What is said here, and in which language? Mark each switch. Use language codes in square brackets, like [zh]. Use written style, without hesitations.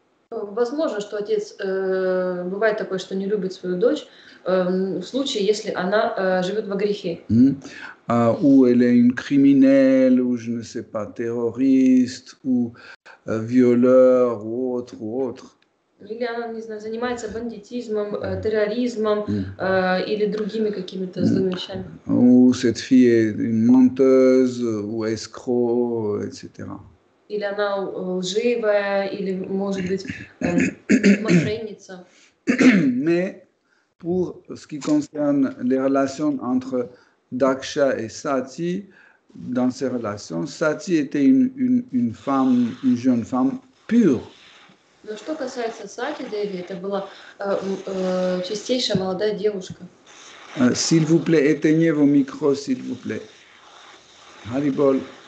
[ru] Возможно, что отец бывает такой, что не любит свою дочь в случае, если она живет во грехе. [fr] Ou elle est une criminelle, ou je ne sais pas, terroriste, ou violeur, ou autre, ou autre. [ru] Или она, не знаю, занимается бандитизмом, терроризмом или другими какими-то злыми вещами. [fr] Ou cette fille est une menteuse, ou escroc, etc. [ru] Или она лживая, или, может быть, мошенница. [fr] Mais pour ce qui concerne les relations entre Daksha et Sati, dans ces relations, Sati était une femme, une jeune femme pure. [ru] Но что касается Сати Деви, это была чистейшая молодая девушка. [fr] S'il vous plaît, éteignez vos micros, s'il vous plaît. Haribol.